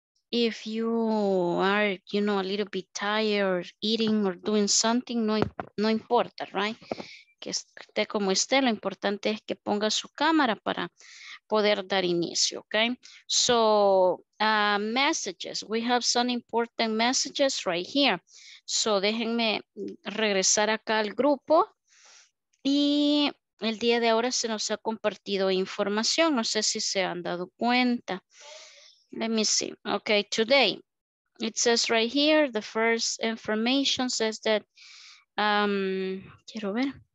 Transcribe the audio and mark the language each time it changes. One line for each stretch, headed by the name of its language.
English: If you are, you know, a little bit tired, eating or doing something,
Spanish: no importa,
English: right?
Spanish: Que esté como esté, lo importante es que ponga su cámara para poder dar inicio, okay?
English: So, messages. We have some important messages right here.
Spanish: So, déjenme regresar acá al grupo. Y el día de ahora se nos ha compartido información. No sé si se han dado cuenta.
English: Let me see. Okay, today. It says right here, the first information says that,
Spanish: quiero ver.